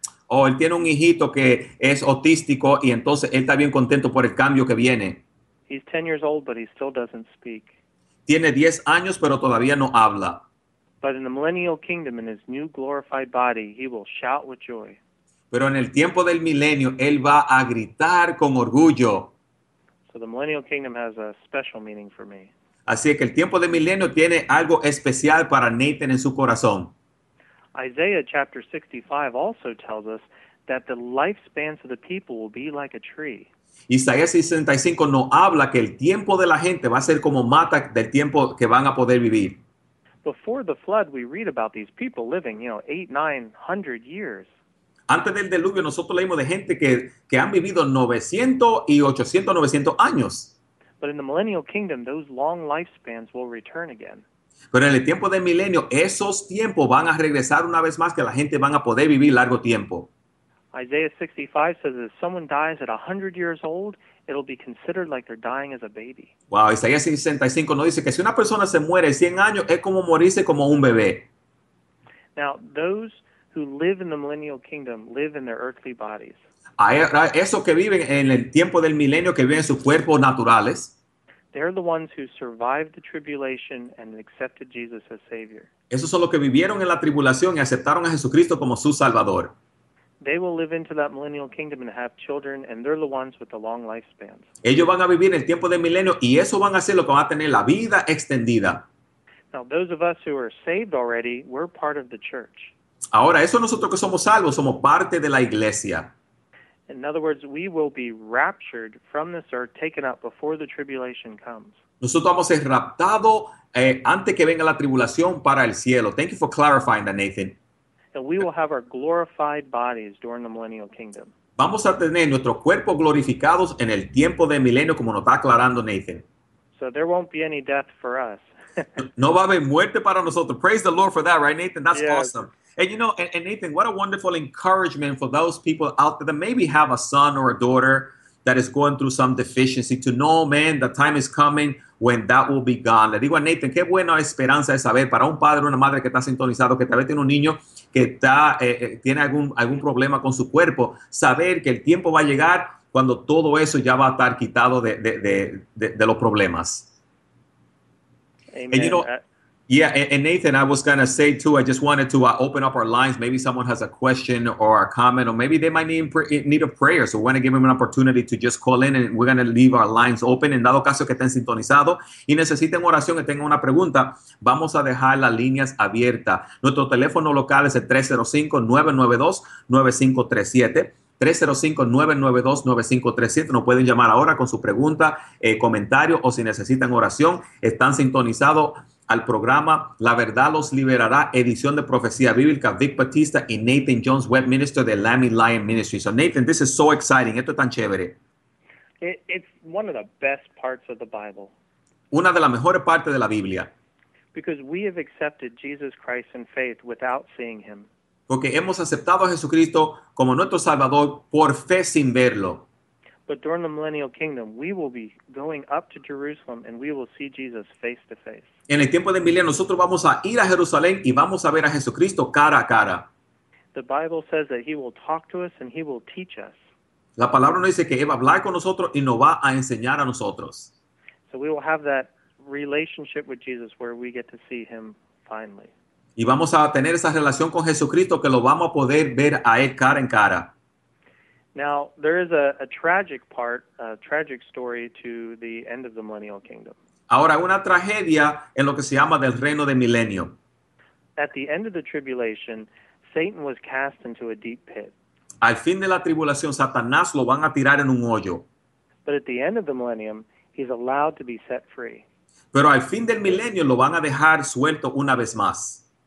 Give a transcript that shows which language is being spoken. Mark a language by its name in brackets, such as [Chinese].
[Spanish] Oh, él tiene un hijito que es autístico y entonces él está bien contento por el cambio que viene. [English] He's 10 years old, but he still doesn't speak. [Spanish] Tiene 10 años, pero todavía no habla. [English] But in the millennial kingdom, in his new glorified body, he will shout with joy. [Spanish] Pero en el tiempo del milenio, él va a gritar con orgullo. [English] So the millennial kingdom has a special meaning for me. [Spanish] Así que el tiempo del milenio tiene algo especial para Nathan en su corazón. [English] Isaiah chapter 65 also tells us that the lifespans of the people will be like a tree. [Spanish] Isaías 65 no habla que el tiempo de la gente va a ser como mata del tiempo que van a poder vivir. [English] Before the flood, we read about these people living, you know, 800-900 years. [Spanish] Antes del diluvio, nosotros leímos de gente que han vivido 900 años. [English] But in the millennial kingdom, those long lifespans will return again. [Spanish] Pero en el tiempo del milenio, esos tiempos van a regresar una vez más que la gente van a poder vivir largo tiempo. [English] Isaiah 65 says that if someone dies at 100 years old, it'll be considered like they're dying as a baby. [Spanish] Wow, Isaías 65 no dice que si una persona se muere 100 años, es como morirse como un bebé. [English] Now, those who live in the millennial kingdom live in their earthly bodies. [Spanish] Esos que viven en el tiempo del milenio, que viven en sus cuerpos naturales. [English] They're the ones who survived the tribulation and accepted Jesus as Savior. [Spanish] Esos son los que vivieron en la tribulación y aceptaron a Jesucristo como su Salvador. [English] They will live into that millennial kingdom and have children, and they're the ones with the long lifespans. [Spanish] Ellos van a vivir en el tiempo del milenio y eso van a ser lo que van a tener la vida extendida. [English] Now, those of us who are saved already, we're part of the church. [Spanish] Ahora, eso nosotros que somos salvos, somos parte de la iglesia. [English] In other words, we will be raptured from this earth, taken up before the tribulation comes. [Spanish] Nosotros vamos a ser raptados antes que venga la tribulación para el cielo. [English] Thank you for clarifying that, Nathan. And we will have our glorified bodies during the millennial kingdom. [Spanish] Vamos a tener nuestros cuerpos glorificados en el tiempo del milenio, como nos está aclarando Nathan. [English] So there won't be any death for us. [Spanish] No va a haber muerte para nosotros. [English] Praise the Lord for that, right, Nathan? That's yes. Awesome. And you know, and Nathan, what a wonderful encouragement for those people out there that maybe have a son or a daughter that is going through some deficiency to know, man, the time is coming when that will be gone. [Spanish] Le digo a Nathan, qué buena esperanza es saber para un padre o una madre que está sintonizado, que tal vez tiene un niño que tiene algún problema con su cuerpo, saber que el tiempo va a llegar cuando todo eso ya va a estar quitado de los problemas. [English] Amen. And you know, yeah, and Nathan, I was going to say too, I just wanted to open up our lines. Maybe someone has a question or a comment, or maybe they might need a prayer. So we're going to give them an opportunity to just call in, and we're going to leave our lines open. [Spanish] En dado caso que estén sintonizados y necesiten oración y tengan una pregunta, vamos a dejar las líneas abiertas. Nuestro teléfono local es el 305-992-9537. 305-992-9537. Nos pueden llamar ahora con su pregunta, comentario, o si necesitan oración. Están sintonizados al programa La Verdad Los Liberará, edición de Profecía Bíblica, Vic Batista y Nathan Jones, Web Minister de Lamb Lion Ministry. [English] So Nathan, this is so exciting. [Spanish] Esto es tan chévere. [English] It's one of the best parts of the Bible. [Spanish] Una de las mejores partes de la Biblia. [English] Because we have accepted Jesus Christ in faith without seeing him. [Spanish] Porque hemos aceptado a Jesucristo como nuestro Salvador por fe sin verlo. [English] But during the millennial kingdom, we will be going up to Jerusalem and we will see Jesus face to face. [Spanish] En el tiempo del milenio, nosotros vamos a ir a Jerusalén y vamos a ver a Jesucristo cara a cara. [English] The Bible says that he will talk to us and he will teach us. [Spanish] La palabra nos dice que él va a hablar con nosotros y nos va a enseñar a nosotros. [English] So we will have that relationship with Jesus where we get to see him finally. [Spanish] Y vamos a tener esa relación con Jesucristo que lo vamos a poder ver a él cara en cara. [English] Now, there is a tragic part, a tragic story to the end of the millennial kingdom. [Spanish] Ahora, una tragedia en lo que se llama del reino del milenio. [English] At the end of the tribulation, Satan was cast into a deep pit. [Spanish] Al fin de la tribulación, Satanás lo van a tirar en un hoyo. [English] But at the end of the millennium, he's allowed to be set free. [Spanish] Pero al fin del milenio, lo van a dejar suelto una vez más.